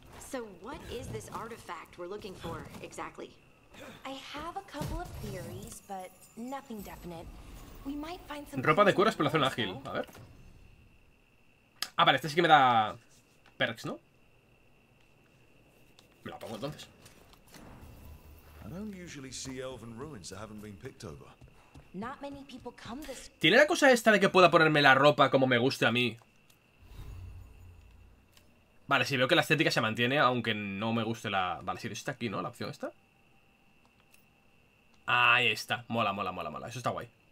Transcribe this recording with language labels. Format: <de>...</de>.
<en>So what is this artifact we're looking for exactly? I have a couple of theories, but nothing definite. We might find some</en> <es>ropa de cuero, exploración ágil, a ver. Ah, vale, este sí que me da perks, ¿no? Me la pongo entonces.</es> <en>I don't usually see elven ruins that haven't been picked over. Not many people come this.</en> <es>¿Tiene la cosa esta de que pueda ponerme la ropa como me guste a mí? Vale, sí, veo que la estética se mantiene, aunque no me guste la. Vale, sí, está aquí, ¿no? La opción esta. Ahí está. Mola, mola, mola, mola. Eso está guay.</es>